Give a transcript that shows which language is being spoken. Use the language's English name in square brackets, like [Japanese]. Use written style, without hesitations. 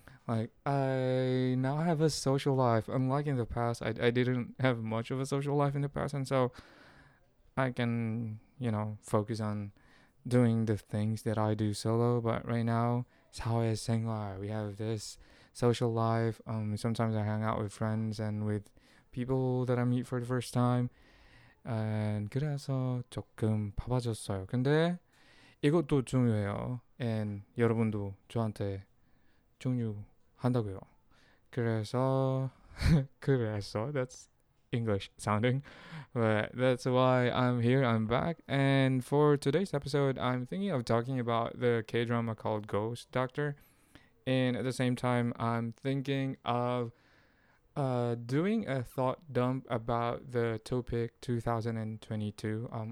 [English] Like, I now have a social life. Unlike in the past, I didn't have much of a social life in the past, and so I can, you know, focus on doing the things that I do solo. But right now, [Korean] 사회 생활, [English] we have this social life. Sometimes I hang out with friends and with people that I meet for the first time, and [Korean] 그래서 조금 바빠졌어요. 근데 이것도 중요해요. And 여러분도 저한테 중요한다고요. 그래서 그래서 [English] that's English sounding, but that's why I'm here. I'm back. And for today's episode, I'm thinking of talking about the K-drama called Ghost Doctor. And at the same time, I'm thinking of doing a thought dump about the topic 2022.